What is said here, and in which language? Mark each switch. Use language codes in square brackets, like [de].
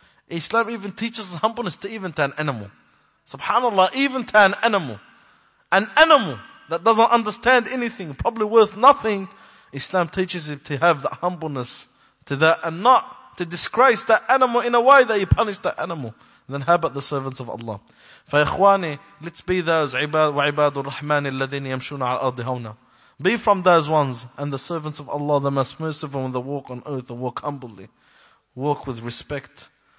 [en] Islam even teaches us humbleness to even to an animal. Subhanallah, even to an animal. An animal that doesn't understand anything, probably worth nothing. Islam teaches him to have that humbleness to that and not to disgrace that animal in a way that you punish that animal. Then how about the servants of Allah? [ar] فَيَخْوَانِي, [en] let's be those [ar] وَعِبَادُ الرَّحْمَنِ الَّذِينَ يَمْشُونَ عَلَى الْأَرْضِ هَوْنَا. [en] Be from those ones and the servants of Allah, the most merciful, when they walk on earth and walk humbly, walk with respect.